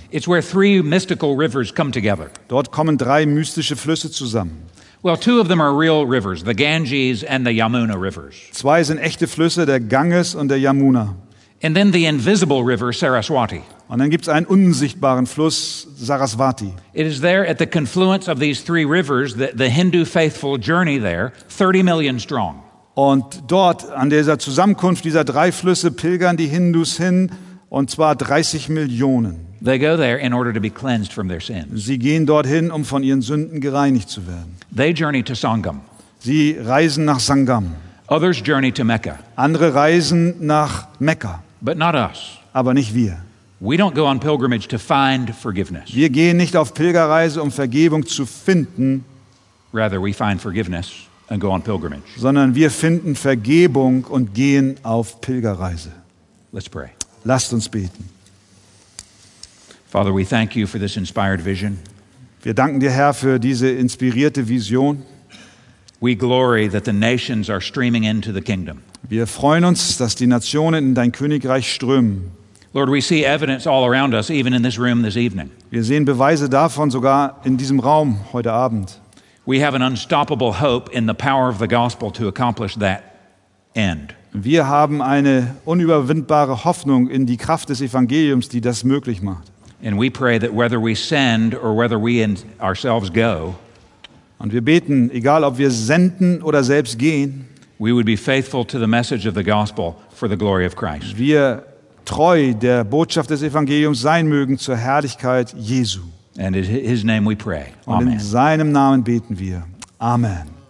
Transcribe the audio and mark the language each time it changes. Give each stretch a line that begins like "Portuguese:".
English: It's where three mystical rivers come together.
German: Dort kommen drei mystische Flüsse zusammen.
English: Well, two of them are real rivers, the Ganges and the Yamuna rivers.
German: Zwei sind echte Flüsse, der Ganges und der Yamuna.
English: And then the invisible river Saraswati.
German: Und dann gibt's einen unsichtbaren Fluss Saraswati.
English: It is there at the confluence of these three rivers that the Hindu faithful journey there, 30 million strong.
German: Und dort an dieser Zusammenkunft dieser drei Flüsse pilgern die Hindus hin, und zwar 30 Millionen.
English: They go there in order to be cleansed from their sins.
German: Sie gehen dorthin, um von ihren Sünden gereinigt zu werden.
English: They journey to Sangam.
German: Sie reisen nach Sangam.
English: Others journey to Mecca.
German: Andere reisen nach Mekka.
English: But not us.
German: Aber nicht wir.
English: We don't go on pilgrimage to find forgiveness.
German: Wir gehen nicht auf Pilgerreise, um Vergebung zu finden.
English: Rather we find forgiveness and go on pilgrimage.
German: Sondern wir finden Vergebung und gehen auf Pilgerreise.
English: Let's pray.
German: Lasst uns beten.
English: Father, we thank you for this inspired vision.
German: Wir danken dir, Herr, für diese inspirierte Vision.
English: We glory that the nations are streaming into the kingdom.
German: Wir freuen uns, dass die Nationen in dein Königreich strömen.
English: Lord, we see evidence all around us, even in this room this evening.
German: Wir sehen Beweise davon sogar in diesem Raum heute Abend.
English: We have an unstoppable hope in the power of the gospel to accomplish that end.
German: Wir haben eine unüberwindbare Hoffnung in die Kraft des Evangeliums, die das möglich macht.
English: And we pray that whether we send or whether we ourselves go,
German: und wir beten, egal ob wir senden oder selbst gehen,
English: we would be faithful to the message of the gospel for the glory of Christ.
German: Wir treu der Botschaft des Evangeliums sein mögen zur Herrlichkeit Jesu.
English: And in his name we pray.
German: Amen. Und in seinem Namen beten wir. Amen.